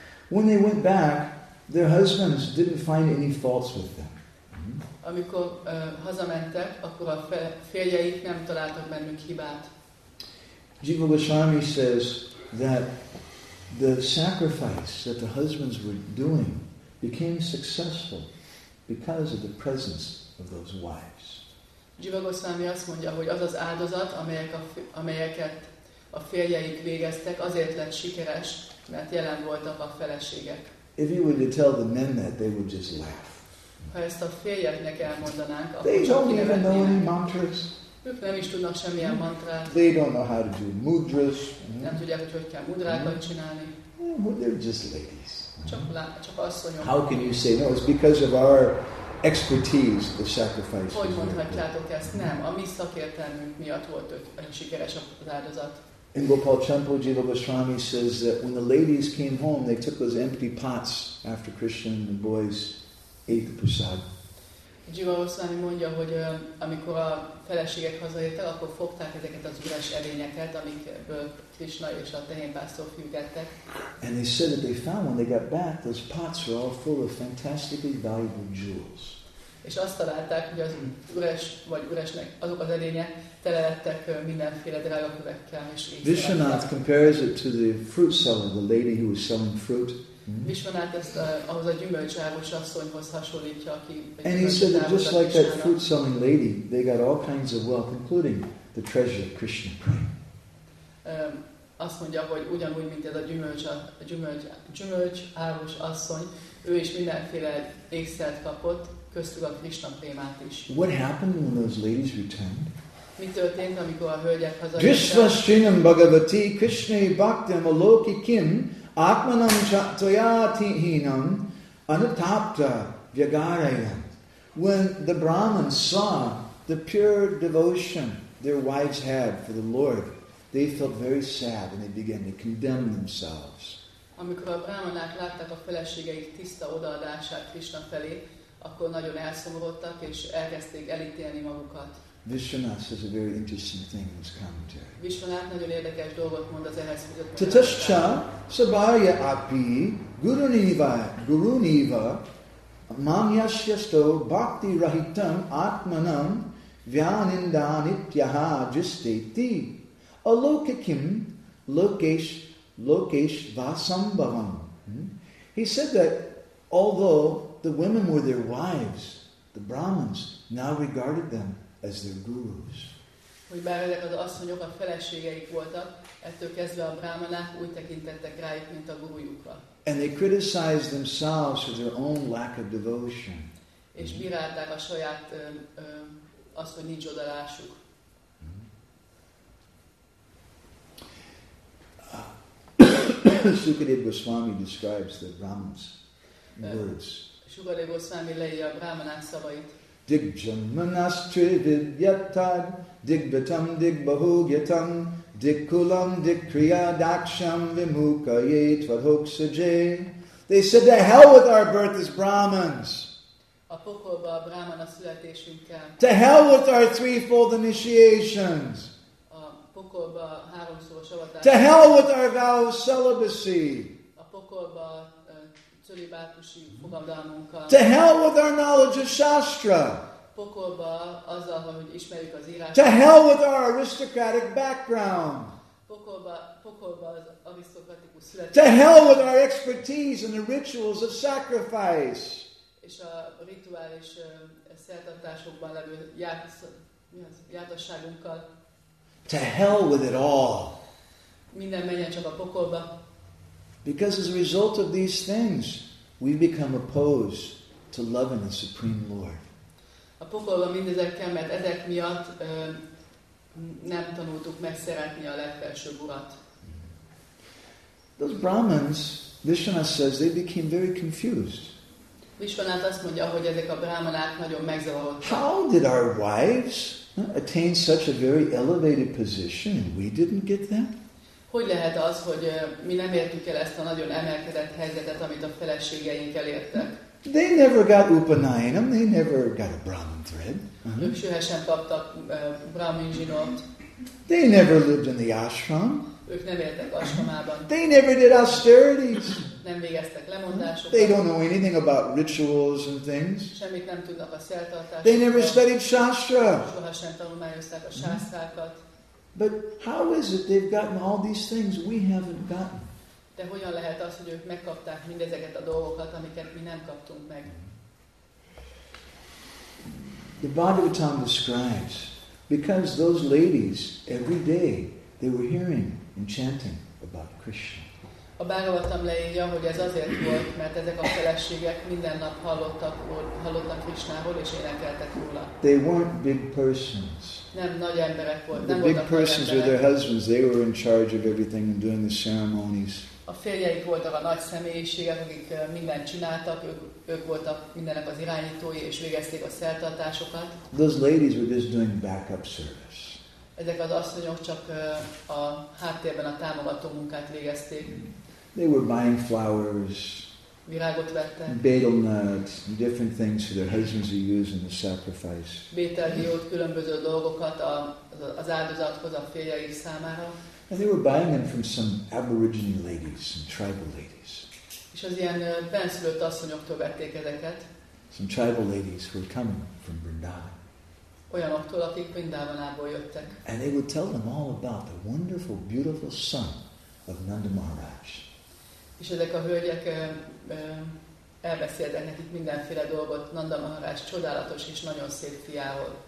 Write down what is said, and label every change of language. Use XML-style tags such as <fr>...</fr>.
<en>When they went back, their husbands didn't find any faults with them.</en> <hu>Amikor hazamentek, akkor a férjeik nem találtak bennük hibát.</hu> <en>Jiva Goswami says that the sacrifice that the husbands were doing became successful because of the presence of those wives.</en> <hu>Jiva Goswami azt mondja, hogy az az áldozat, amelyeket a férjeik végeztek, azért lett sikeres, mert jelen voltak a feleségek.</hu> <en>If you were to tell the men that, they would just laugh.</en> <hu>Ha ezt a férjeknek elmondanánk,</hu> <en>they don't even know any mantras.</en> <hu>Ők nem is tudnak semmilyen mantrát.</hu> <en>They don't know how to do mudras.</en> <hu>Nem tudják, hogy kell mudrákat csinálni.</hu> <en>Well, they're just ladies.</en> <hu>Csak asszonyok.</hu> <en>How can you say no? It's because of our expertise, the sacrifice.</en> <hu>Hogy mondhatjátok ezt? Nem, a mi szakértelmünk miatt volt sikeres az áldozat.</hu> <en>In Gopal Champo, Jiva Goswami says that when the ladies came home, they took those empty pots after Krishna and the boys ate the prasad.</en> <hu>Jiva Goswami mondja, hogy amikor a feleségek hazajöttek, akkor fogták ezeket az üres edényeket, amikből Krishna és a tehénpásztor fiúk ettek.</hu> <en>And they said that they found when they got back, those pots were all full of fantastically valuable jewels.</en> <hu>És azt találták, hogy az üres, vagy üresnek azok az edények tele lettek mindenféle drága kövekkel.</hu> <en>Vishwanath compares it to the fruit seller, the lady who was selling fruit.</en> <hu>Vishwanath ezt ahhoz a gyümölcsáros asszonyhoz hasonlítja, aki...</hu> <en>And he said that just like that fruit selling lady, they got all kinds of wealth, including the treasure of Krishna Prem.</en> <hu>Azt mondja, hogy ugyanúgy, mint ez a gyümölcsáros asszony, ő is mindenféle ékszert kapott, köztük a Krishna prémát is.</hu> <en>What happened when those ladies returned?</en> <sa>Dishvashinam Bhagavati Krishna Bhaktam Aloki Kim Atmanam Chatoyatihinam Anatapta Vyagarayam.</sa> <en>When the Brahman saw the pure devotion their wives had for the Lord, they felt very sad and they began to condemn themselves.</en> <hu>Amikor a brahmanák látták a feleségeik tiszta odaadását Krishna felé, akkor nagyon elszomorodtak és elkezdték elítélni magukat.</hu> <en>Vishwanath says a very interesting thing in his commentary.</en> <hu>Vishwanath nagyon érdekes dolgot mond az ehhez kapcsolatban.</hu> <sa>Tatascha sabarya api guruniva mamyasyasto bhakti rahitam atmanam vyanindanityaha jisteti alokakim lokesh vasambhavam.</sa> <en>He said that although the women were their wives, the Brahmins now regarded them as their gurus.</en> <hu>Hogy bár ezek az asszonyok a feleségeik voltak, ettől kezdve a brahmanák úgy tekintettek rájuk, mint a gurujukra.</hu> <en>And they criticized themselves for their own lack of devotion.</en> <hu>És bírálták a saját azt, hogy nincs odalásuk.</hu> <en>Sukadev Goswami describes the Brahmins' words.</en> <hu>Sukadev Goswami leírja a brahmanák szavait.</hu> <sa>Digjamanastrivyatad, digbatam digbahugyatam, digkulam digkriya daksham vimukaye tvadhoksaje.</sa> <en>They said, to hell with our birth as Brahmins.</en> <hu>A pokolba a brahmana születésünkkel.</hu> <en>To hell with our threefold initiations.</en> <hu>A pokolba háromszoros avatás.</hu> <en>To hell with our vow of celibacy.</en> <hu>A pokolba cölibátusi fogadalmunkkal.</hu> <en>To hell with our knowledge of shastra.</en> <hu>Pokolba azzal, hogy ismerjük az írást.</hu> <en>To hell with our aristocratic background.</en> <hu>Pokolba az arisztokratikus születés.</hu> <en>To hell with our expertise and the rituals of sacrifice.</en> <hu>És a rituális szertartásokban levő jártasságunkkal.</hu> <en>To hell with it all.</en> <hu>Minden menjen csak a pokolba.</hu> <en>Because as a result of these things, we become opposed to loving the Supreme Lord.</en> <hu>A pokolba mindezekkel, mert ezek miatt nem tanultuk meg szeretni a legfelsőbb urat.</hu> <en>Those Brahmins, Vishwanath says, they became very confused.</en> <hu>Vishwanath azt mondja, hogy ezek a brahmanák nagyon megzavarodtak.</hu> <en>How did our wives attain such a very elevated position and we didn't get that?</en> <hu>Hogy lehet az, hogy mi nem értük el ezt a nagyon emelkedett helyzetet, amit a feleségeink elértek?</hu> <en>They never got upanayanam, they never got a brahmin thread.</en> <hu>Ők soha sem kaptak brahmin zsinót.</hu> <en>They never lived in the ashram.</en> <hu>Ők nem éltek ashramában.</hu> <en>They never did austerities.</en> <hu>Nem végeztek lemondásokat.</hu> <en>They don't know anything about rituals and things.</en> <hu>Semmit nem tudnak a szertartásokat.</hu> <en>They never studied shastra.</en> <hu>Soha sem tanulmányozták a sásztrákat.</hu> <en>But how is it they've gotten all these things we haven't gotten?</en> <hu>De hogyan lehet az, hogy ők megkapták mindezeket a dolgokat, amiket mi nem kaptunk meg?</hu> <en>The Bhagavatam describes, because those ladies, every day, they were hearing and chanting about Krishna.</en> <hu>A Bhagavatam leírja, hogy ez azért volt, mert ezek a feleségek minden nap hallottak Krishnáról és énekeltek róla.</hu> <en>They weren't big persons.</en> <hu>Nem nagy emberek voltak.</hu> <en>The big persons were their husbands. They were in charge of everything and doing the ceremonies.</en> <hu>A férjeik voltak a nagy személyiségek, akik mindent csináltak, ők voltak mindennek az irányítói, és végezték a szertartásokat.</hu> <en>Those ladies were just doing backup service.</en> <hu>Ezek az asszonyok csak a háttérben a támogató munkát végezték.</hu> <en>They were buying flowers,</en> <hu>virágot vettek,</hu> <en>betel nuts, different things for their husbands to use in the sacrifice.</en> <hu>Betelhiót, különböző dolgokat az áldozathoz a férjeik számára.</hu> <en>And they were buying them from some aborigine ladies, some tribal ladies.</en> <hu>És az ilyen benszülött asszonyoktól vették ezeket.</hu> <en>Some tribal ladies who were coming from Vrindavan.</en> <hu>Olyanoktól, akik Vrindavanából jöttek.</hu> <en>And they would tell them all about the wonderful, beautiful son of Nanda Maharaj.</en> <hu>És ezek a hölgyek elbeszéltek nekik mindenféle dolgot Nanda Maharaj csodálatos és nagyon szép fiáról.</hu>